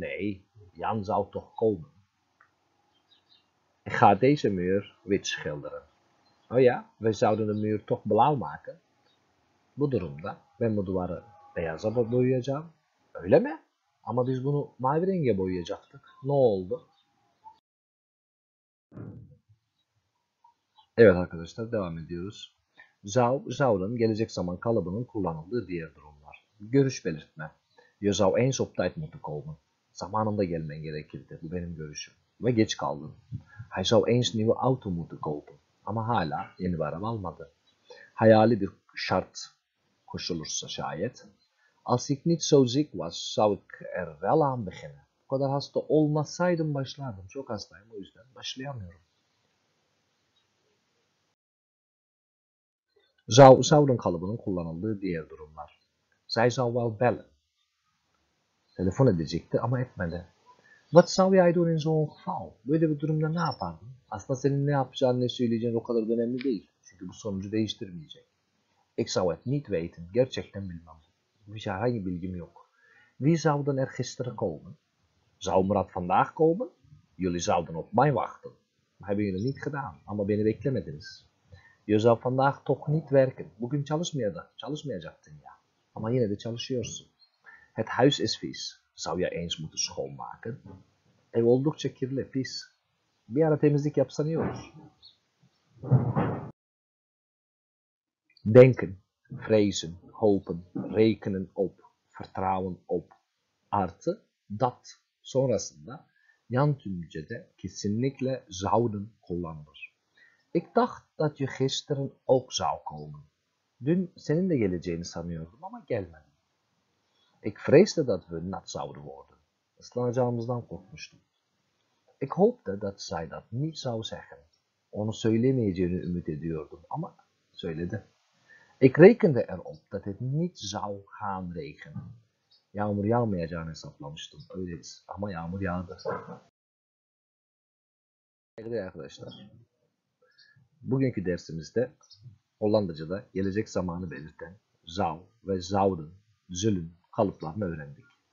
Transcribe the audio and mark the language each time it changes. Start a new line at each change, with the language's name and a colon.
Dutch: Nee, Jan zou toch komen. Ik ga deze muur wit schilderen. Oh ja, we zouden de muur toch blauw maken?
Turkish: Bu durumda ben bu duvarı beyaza boyayacağım. Öyle mi? Ama biz bunu mavi renge boyayacaktık. Ne oldu? Evet arkadaşlar devam ediyoruz. Zouden gelecek zaman kalıbının kullanıldığı diğer durumlar. Görüş belirtme.
Dutch: Je zou eens op tijd moeten komen.
Turkish: Zamanında gelmen gerekirdi. Bu benim görüşüm. Ve geç kaldın.
Dutch: Hij zou eens nieuwe auto moeten kopen.
Turkish: Ama hala yeni bir araba almadı. Hayali bir şart koşulursa şayet.
Dutch: Als ik niet zo ziek was, zou ik er wel aan beginnen.
Turkish: Bu kadar hasta olmasaydım başlardım. Çok hastayım o yüzden başlayamıyorum. Zouden kalıbının kullanıldığı diğer durumlar.
Dutch: Zij zou wel bellen.
Turkish: Telefon edecekti ama etmedi.
Dutch: Wat zou jij doen in zo'n geval?
Turkish: Böyle bir durumda ne yapardın? Aslında senin ne yapacağın, ne söyleyeceğin o kadar önemli değil. Çünkü bu sonucu değiştirmeyecek.
Dutch: Ik zou het niet weten.
Turkish: Gerçekten bilmem. Hangi bilgim yok.
Dutch: Wie zou dan er gisteren komen? Zou Murat vandaag komen? Jullie zouden op mij wachten. Hebben jullie niet gedaan.
Turkish: Ama beni beklemediniz.
Dutch: Je zou vandaag toch niet werken.
Turkish: Bugün çalışmayacaktın ya. Ama yine de çalışıyorsun.
Dutch: Het huis is vies. Zou je eens moeten schoonmaken?
Turkish: Ev oldukça kirli, pis. Bir ara temizlik yapsan iyi olur.
Dutch: Denken, vrezen, hopen, rekenen op, vertrouwen op.
Turkish: Artı, dat sonrasında yan tümcede kesinlikle zouden kullanılır.
Dutch: Ik dacht dat je gisteren ook zou komen.
Turkish: Dün senin de geleceğini sanıyordum ama gelmedin.
Dutch: Ik vreesde dat we nat zouden worden.
Turkish: Islanacağımızdan korkmuştum.
Dutch: Ik hoopte dat zij dat niet zou zeggen.
Turkish: Onu söylemeyeceğini ümit ediyordum ama söyledi.
Dutch: Ik rekende erop dat het niet zou gaan regenen.
Turkish: Yağmur yağmayacağını hesaplamıştım. Öyleyiz ama yağmur yağdı. Sevgili arkadaşlar. Bugünkü dersimizde Hollandaca'da gelecek zamanı belirten zou ve zouden, zullen kalıplarını öğrendik.